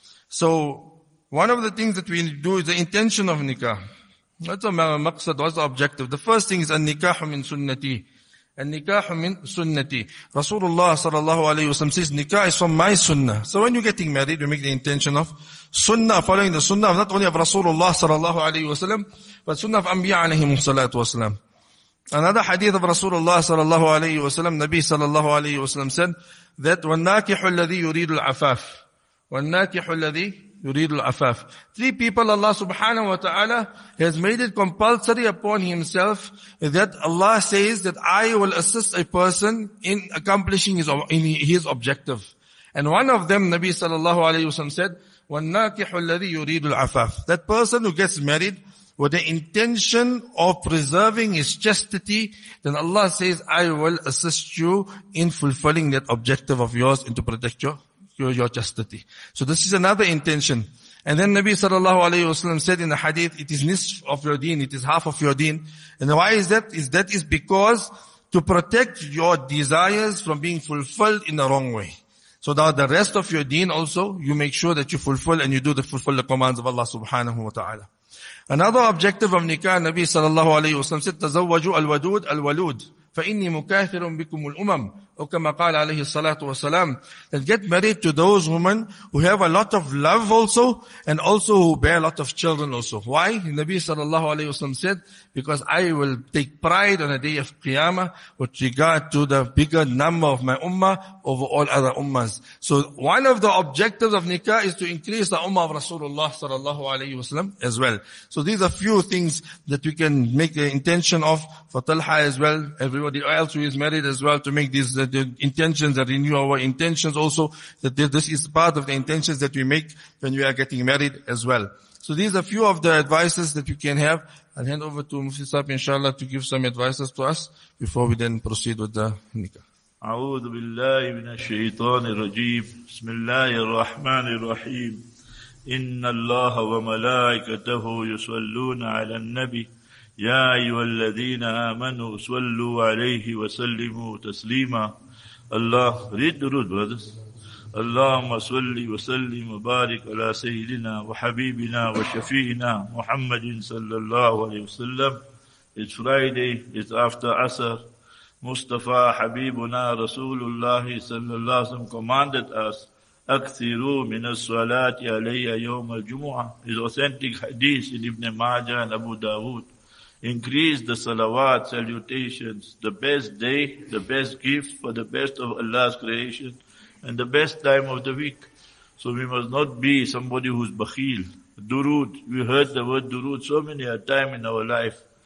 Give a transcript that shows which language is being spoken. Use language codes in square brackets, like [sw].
[en] So, one of the things that we do is the intention of nikah. What's the maqsad, what's the objective? The first thing is, [ar] an nikah min sunnati. النكاح من سنتي. رسول الله صلى الله عليه وسلم [en] says, nikah is from my sunnah. So when you're getting married, you make the intention of sunnah, following the sunnah of not only of Rasulullah صلى الله عليه وسلم, but sunnah of Anbiya alayhi salatu wasalam. Another hadith of Rasulullah صلى الله عليه وسلم, Nabi صلى الله عليه وسلم said, that [ar] وَالنَّاكِحُ الَّذِي يُرِيدُ الْعَفَافِ [en] وَالنَّاكِحُ الَّذِي يُرِيدُ الْعَفَافِ. Three people Allah subhanahu wa ta'ala has made it compulsory upon himself that Allah says that I will assist a person in accomplishing his objective. And one of them, Nabi صلى الله عليه وسلم said, [ar] وَالنَّاكِحُ الَّذِي يُرِيدُ الْعَفَافِ. [en] That person who gets married with the intention of preserving his chastity, then Allah says, I will assist you in fulfilling that objective of yours and to protect your chastity. So this is another intention. And then Nabi sallallahu alayhi wasallam said in the hadith, it is [ar] nisf of your deen, [en] it is half of your deen. And why is that? That is because to protect your desires from being fulfilled in the wrong way. So now the rest of your deen also, you make sure that you fulfill and you do fulfill the commands of Allah subhanahu wa ta'ala. Another objective of nikah, [ar] Nabi sallallahu alayhi wasallam [en] said, [ar] تَزَوَّجُوا الْوَدُودَ الْوَلُودَ فَإِنِّي مُكَافِرٌ بِكُمُ الْأُمَمُ أَوْ كَمَا قَالَ عَلَيْهِ الصَّلَاةُ وَالسَّلَامُ. [en] That get married to those women who have a lot of love also, and also who bear a lot of children also. Why? Nabi sallallahu alayhi wasallam said, because I will take pride on the day of Qiyamah with regard to the bigger number of my ummah over all other ummahs. So one of the objectives of nikah is to increase the ummah of Rasulullah sallallahu alayhi wasallam as well. So these are few things that we can make the intention of for Talha as well, everybody else who is married as well, to make these the intentions, that renew our intentions also, that this is part of the intentions that we make when we are getting married as well. So these are few of the advices that you can have. I'll hand over to Mufti Saab, inshallah, to give some advices to us before we then proceed with the nikah. [ar] A'udhu billahi minash shaitanir rajim. Bismillahir rahmanir rahim. Inna Allah wa malaikatahu yusalluna ala nabi. يا أيها الذين آمنوا صلوا عليه وسلموا تسليما. الله read the root brothers. اللهم صل وسلم وبارك على سيدنا وحبيبنا وشفيعنا محمد صلى الله عليه وسلم. [en] It's Friday, it's after Asr. [ar] مصطفى حبيبنا رسول الله صلى الله عليه وسلم [en] commanded us, [ar] أكثروا من الصلاة علي يوم الجمعة. [en] It's authentic hadith in Ibn Majah and Abu Dawood. Increase the salawat, salutations, the best day, the best gift for the best of Allah's creation, and the best time of the week. So we must not be somebody who's bakhil. Durood, we heard the word durood so many a time in our life.